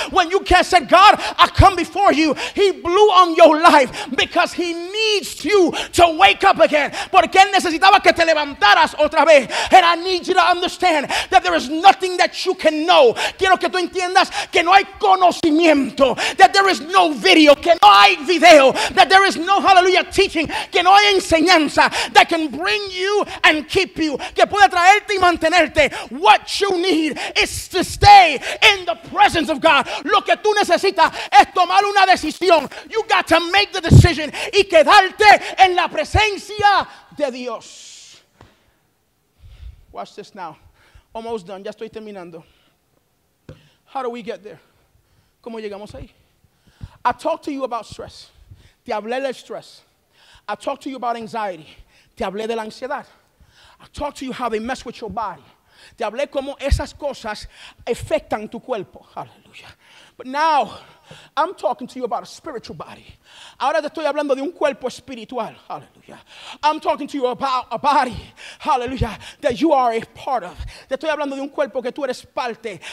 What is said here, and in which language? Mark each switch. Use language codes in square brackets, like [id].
[en] When you can say, God, I come before you, he blew on your life because he needs you to wake up again. [es] Porque él necesitaba que te levantaras otra vez. [en] And I need you to understand that there is nothing that you can know. [es] Quiero que tú entiendas que no hay conocimiento, [en] that there is no video, [es] que no hay video, [en] that there is no, hallelujah, teaching, [es] que no hay enseñanza, [en] that can bring you and keep you, [es] que puede traerte y mantenerte. [en] What you need is to stay in the presence of God. [es] Lo que tú necesitas es tomar una decisión. [en] You got to make the decision [es] y quedarte en la presencia de Dios. [en] Watch this now. Almost done. [es] Ya estoy terminando. [en] How do we get there? [es] ¿Cómo llegamos ahí? [en] I talked to you about stress. [es] Te hablé del stress. [en] I talked to you about anxiety. [es] Te hablé de la ansiedad. [en] I talked to you how they mess with your body. [es] Te hablé cómo esas cosas afectan tu cuerpo. [en] Hallelujah. But now, I'm talking to you about a spiritual body. [es] Ahora te estoy hablando de un cuerpo espiritual. [en] Hallelujah. I'm talking to you about a body. Hallelujah. That you are a part of. [es] Te estoy hablando de un cuerpo que tú eres parte.